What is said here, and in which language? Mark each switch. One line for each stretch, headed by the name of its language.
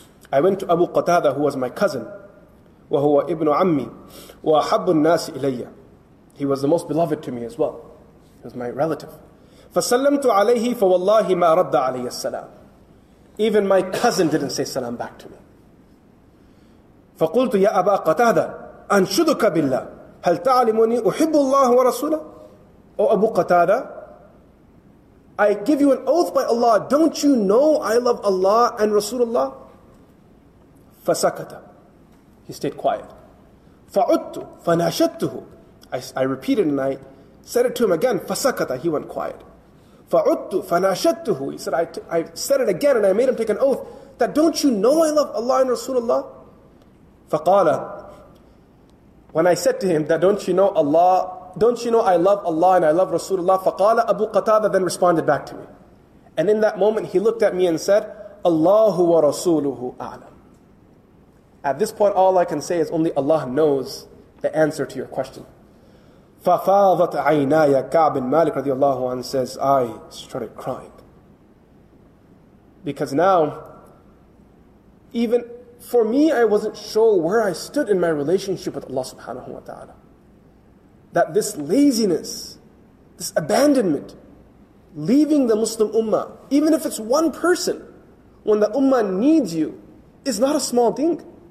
English: I went to Abu Qatada, who was my cousin,
Arabic: wa huwa ibn ammi wa ahabbu an-nas ilayya.
English: He was the most beloved to me as well. He was my relative.
Arabic: Fasallamtu alayhi fa wallahi ma radda alayya salam.
English: Even my cousin didn't say salam back to me.
Arabic: فَقُلْتُ يَا أَبَا قَتَادَ أَنْشُدُكَ بِاللَّهِ هَلْ تَعْلِمُنِي أُحِبُّ اللَّهُ وَرَسُولَهُ
English: O Abu Qatada, I give you an oath by Allah. Don't you know I love Allah and Rasulullah?
Arabic: فَسَكَتَ
English: He stayed quiet.
Arabic: فَعُدْتُ فَنَاشَدْتُهُ
English: I repeated and I said it to him again.
Arabic: فَسَكَتَ
English: He went quiet.
Arabic: فَعُدْتُ فَنَاشَدْتُهُ
English: He said, I said it again and I made him take an oath that don't you know I love Allah and Rasulullah?
Arabic: فَقَالَ
English: When I said to him that don't you know Allah, don't you know I love Allah and I love Rasulullah?
Arabic: فَقَالَ
English: Abu Qatada then responded back to me. And in that moment he looked at me and said,
Arabic: اللَّهُ وَرَسُولُهُ أَعْلَمُ
English: At this point all I can say is only Allah knows the answer to your question.
Arabic: فَفَاضَتْ عَيْنَايَ
English: كَعْبٍ بن مَالِكْ رضي الله عنه says, I started crying. Because now, even for me, I wasn't sure where I stood in my relationship with Allah subhanahu wa ta'ala. That this laziness, this abandonment, leaving the Muslim ummah, even if it's one person, when the ummah needs you, is not a small thing.